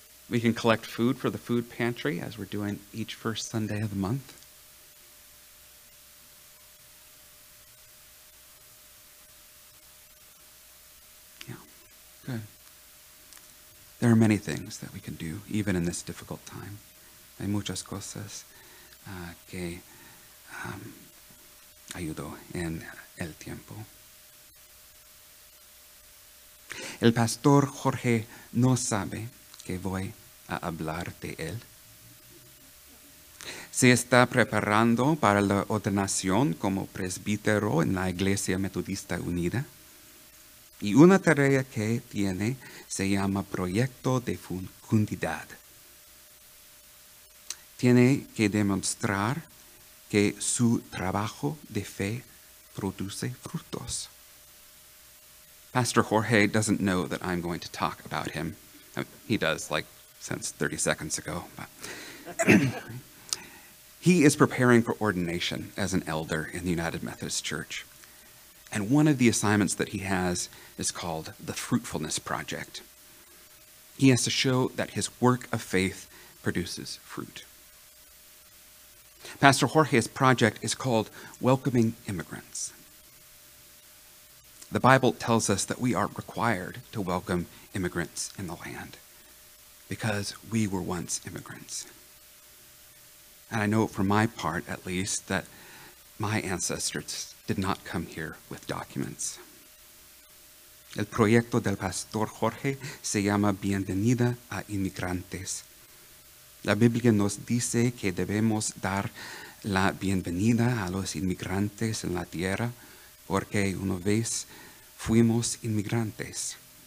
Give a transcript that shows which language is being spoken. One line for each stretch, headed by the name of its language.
English: We can collect food for the food pantry as we're doing each first Sunday of the month. Yeah. Good. There are many things that we can do, even in this difficult time.
Spanish: Hay muchas cosas que ayudó en el tiempo. El pastor Jorge no sabe que voy a hablar de él. Se está preparando para la ordenación como presbítero en la Iglesia Metodista Unida. Y una tarea que tiene se llama Proyecto de Fecundidad. Tiene que demostrar que su trabajo de fe produce frutos.
English: Pastor Jorge doesn't know that I'm going to talk about him. He does, like, since 30 seconds ago. But he is preparing for ordination as an elder in the United Methodist Church. And one of the assignments that he has is called the Fruitfulness Project. He has to show that his work of faith produces fruit. Pastor Jorge's project is called Welcoming Immigrants. The Bible tells us that we are required to welcome immigrants in the land because we were once immigrants. And I know for my part, at least, that my ancestors did not come here with documents.
Spanish: El proyecto del Pastor Jorge se llama Bienvenida a Inmigrantes. La Biblia nos dice que debemos dar la bienvenida a los inmigrantes en la tierra porque una vez fuimos inmigrantes.